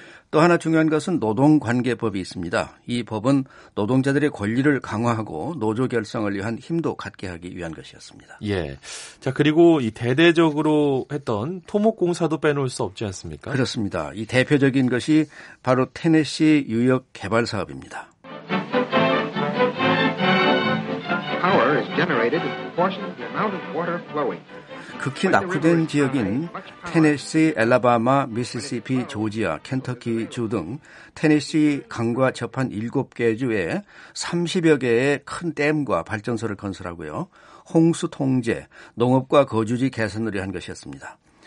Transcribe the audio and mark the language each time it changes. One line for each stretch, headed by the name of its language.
Korean: 또 하나 중요한 것은 노동관계법이 있습니다. 이 법은 노동자들의 권리를 강화하고 노조 결성을 위한 힘도 갖게 하기 위한 것이었습니다. 예. 자, 그리고 이 대대적으로 했던 토목공사도 빼놓을 수 없지 않습니까? 그렇습니다. 이 대표적인 것이 바로 테네시 유역 개발 사업입니다.
English: Power is generated in proportion to the amount of water flowing.
Korean: 극히 낙후된 지역인 테네시, 엘라바마, 미시시피, 조지아, 켄터키 주 등 테네시 강과 접한 7개 주에 30여 개의 큰 댐과 발전소를 건설하고요. 홍수 통제, 농업과 거주지 개선을 위한 것이었습니다.